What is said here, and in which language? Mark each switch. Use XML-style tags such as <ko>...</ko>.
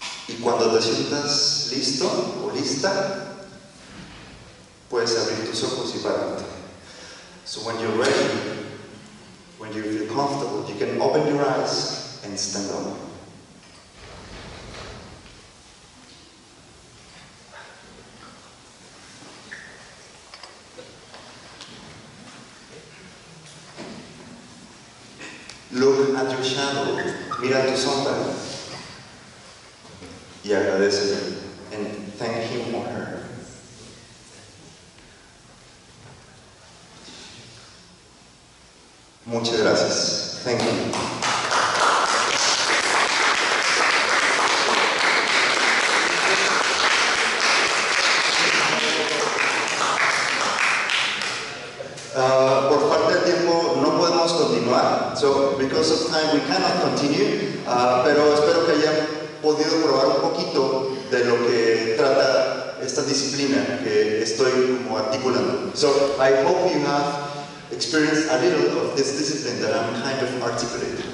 <es>Y cuando te sientas listo o lista, puedes abrir tus ojos y pararte.</es> <en>So when you're ready, when you feel comfortable, you can open your eyes and stand up. Look at your shadow.</en> <es>Mira tu sombra. Y agradecele.</es> <en>And thank him or her.</en> <es>Muchas gracias.</es> <en>Thank you.</en> <es>Por falta de tiempo no podemos continuar.</es> <en>So, because of time, we cannot continue.</en> <es>Pero espero que hayan podido probar un poquito de lo que trata esta disciplina que estoy como articulando.</es> <en>So, I hope you have experience a little of this discipline that I'm kind of articulating.</en>